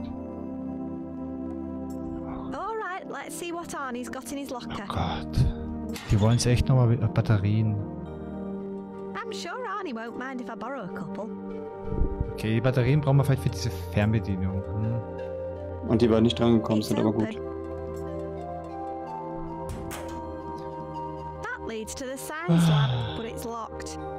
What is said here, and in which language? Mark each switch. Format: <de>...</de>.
<en>Alright, let's see what Arnie's got in his locker.</en> <de>Oh Gott. Die wollen es echt nochmal mit Batterien.</de> <en>I'm sure Arnie won't mind if I borrow a couple.</en> <de>Okay, die Batterien brauchen wir vielleicht für diese Fernbedienung. Und die waren nicht dran gekommen, sind aber gut.</de> <en>That leads to the science lab, but it's locked.</en>